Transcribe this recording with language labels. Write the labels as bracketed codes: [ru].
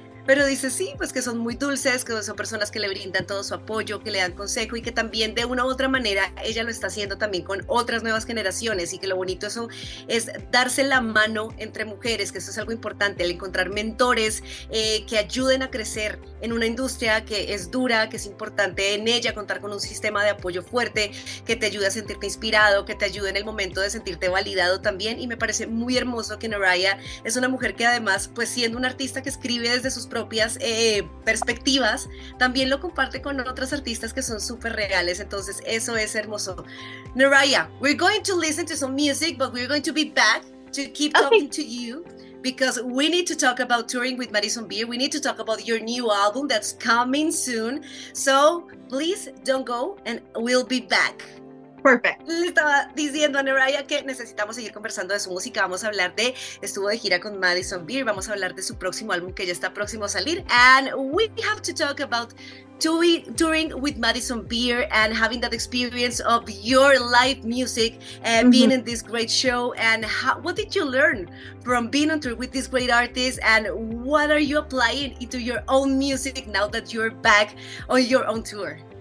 [es] Pero dice sí, pues que son muy dulces, que son personas que le brindan todo su apoyo, que le dan consejo, y que también de una u otra manera ella lo está haciendo también con otras nuevas generaciones, y que lo bonito eso es darse la mano entre mujeres, que eso es algo importante, el encontrar mentores que ayuden a crecer en una industria que es dura, que es importante en ella contar con un sistema de apoyo fuerte, que te ayude a sentirte inspirado, que te ayude en el momento de sentirte validado también. Y me parece muy hermoso que Neraya es una mujer que además, pues siendo una artista que escribe desde sus propias perspectivas, también lo comparte con otras artistas que son súper reales. Entonces eso es hermoso. [en] Neraya, we're going to listen to some music, but we're going to be back to keep talking to you, because we need to talk about touring with Madison Beer. We need to talk about your new album that's coming soon. So please don't go, and we'll be back. [es] Perfecto. Le estaba diciendo a Neraya que necesitamos seguir conversando de su música. Vamos a hablar de, estuvo de gira con Madison Beer, vamos a hablar de su próximo álbum que ya está próximo a salir. [en] And we have to talk about touring with Madison Beer and having that experience of your live music and being in this great show. And how, what did you learn from being on tour with this great artist? And what are you applying into your own music now that you're back on your own tour?